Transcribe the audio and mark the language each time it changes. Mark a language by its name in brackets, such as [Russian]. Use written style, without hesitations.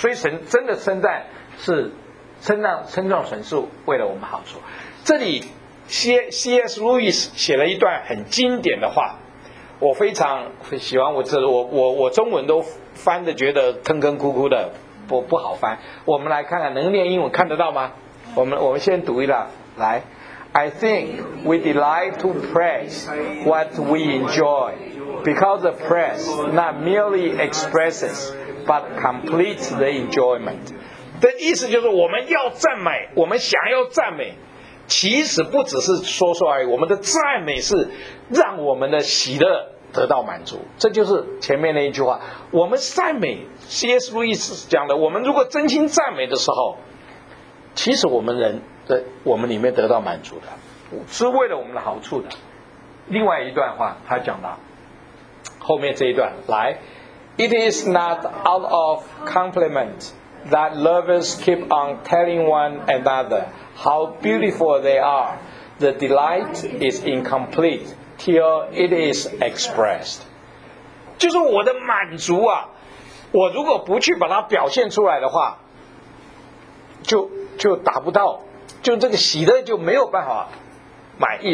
[Chinese] 所以神真的称赞是称赞神是为了我们好处。这里C.S. Lewis 写了一段很经典的话，我非常喜欢，我中文都翻的觉得坑坑哭哭的，不好翻。我们来看看能念英文看得到吗？我们先读一段来。 [English] I think we delight to praise what we enjoy because the praise not merely expresses but completes the enjoyment. [Chinese] 的意思就是我们要赞美，我们想要赞美，其实不只是说说而已，我们的赞美是让我们的喜乐得到满足。这就是前面那一句话，我们赞美 C.S. Lewis 讲的，我们如果真心赞美的时候，其实我们人的我们里面得到满足的，是为了我们的好处的。 [English] 另外一段话他讲到后面这一段来， It is not out of compliment that lovers keep on telling one anotherHow beautiful they are. The delight is incomplete till it is expressed. [Chinese] 就是我的满足啊，我如果不去把它表现出来的话，就达不到，就这个喜乐就没有办法满意。